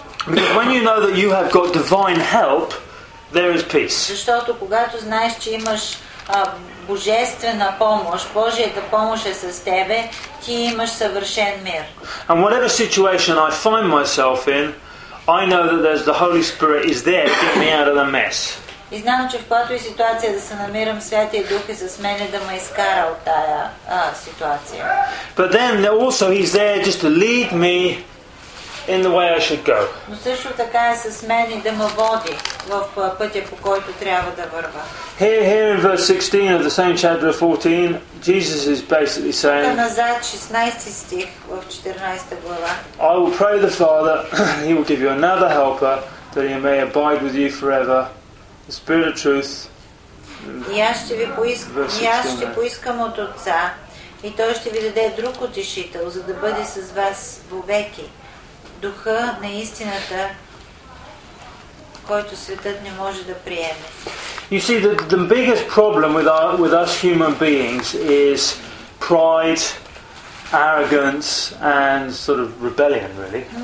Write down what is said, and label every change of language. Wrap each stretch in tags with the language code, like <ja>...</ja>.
<en>Because when you know that you have got divine help, there is peace.</en> <bg>Защото когато знаеш, че имаш божествена помощ, Божията помощ е с тебе, ти имаш съвършен мир.</bg> <en>And whatever situation I find myself in, I know that there's the Holy Spirit is there to get me out of the mess.</en> <bg>И знам, че в която и ситуация да се намирам, Святия Дух е с мене да ме изкара от тая ситуация.</bg> <en>But then also he's there just to lead me in the way I should go.</en> <bg>Но също така е с мен и да ме води в пътя, по който трябва да върва.</bg> <en>Here in verse 16 of the same chapter 14, Jesus is basically saying,</en> <bg>тук назад, 16 стих в 14 глава,</bg> <en>I will pray the Father, he will give you another helper, that he may abide with you forever. The Spirit of Truth.</en> <bg>И аз ще поискам от Отца, и Той ще ви даде друг утешител, за да бъде с вас вовеки. Духа на истината, който светът не може да приеме.</bg> <en>You see, the biggest problem with us human beings is pride, arrogance and sort of rebellion, really.</en>